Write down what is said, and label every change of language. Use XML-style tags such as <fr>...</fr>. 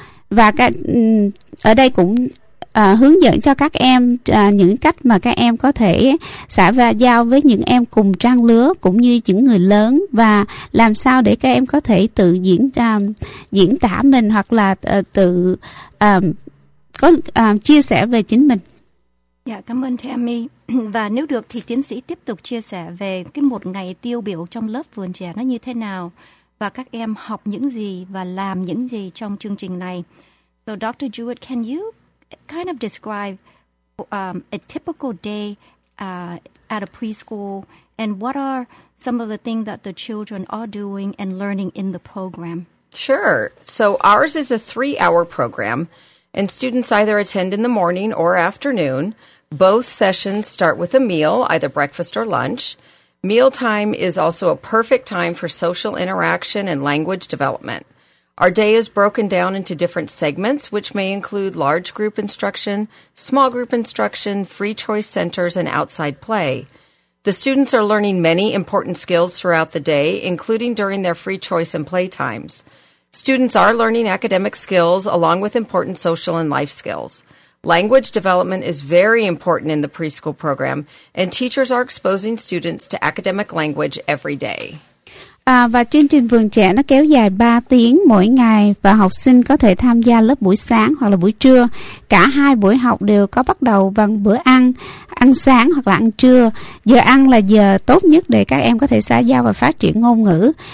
<vi>Và ở đây cũng hướng dẫn cho các em những cách mà các em có thể xã và giao với những em cùng trang lứa cũng như những người lớn, và làm sao để các em có thể tự diễn tả mình hoặc là tự có chia sẻ về chính mình. Dạ, cảm ơn Tammy. Và nếu được thì tiến sĩ tiếp tục chia sẻ về cái một ngày tiêu biểu trong lớp vườn trẻ nó như thế nào, và các em học những gì và làm những gì trong chương trình này.</vi> <en>So Dr. Jewett, can you kind of describe a typical day at a preschool, and what are some of the things that the children are doing and learning in the program? Sure. So ours is a 3-hour program, and students either attend in the morning or afternoon. Both sessions start with a meal, either breakfast or lunch. Mealtime is also a perfect time for social interaction and language development. Our day is broken down into different segments, which may include large group instruction, small group instruction, free choice centers, and outside play. The students are learning many important skills throughout the day, including during their free choice and play times. Students are learning academic skills along with important social and life skills. Language development is very important in the preschool program, and teachers are exposing students to academic language every day.</en> <vi>Và chương trình vườn trẻ nó kéo dài 3 tiếng mỗi ngày, và học sinh có thể tham gia lớp buổi sáng hoặc là buổi trưa. Cả hai buổi học đều có bắt đầu bằng bữa ăn, ăn sáng hoặc là ăn trưa. Giờ ăn là giờ tốt nhất để các em có thể xã giao và phát triển ngôn ngữ.</vi>